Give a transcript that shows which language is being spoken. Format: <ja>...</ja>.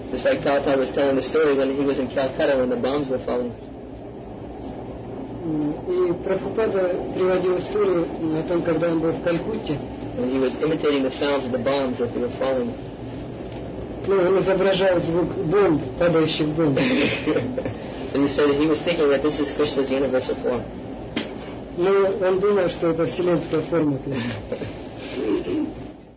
<en>Just like Prabhupada was telling the story when he was in Calcutta when the bombs were falling.</en> <ru>И Прабхупада приводил историю о том, когда он был в Калькутте.</ru> <en>And he was imitating the sounds of the bombs as they were falling.</en> <ru>Ну, он изображал звук бомб, падающих бомб.</ru> <en>And he said he was thinking that this is Krishna's universal form.</en> <ru>Ну, он думал, что это вселенская форма.</ru>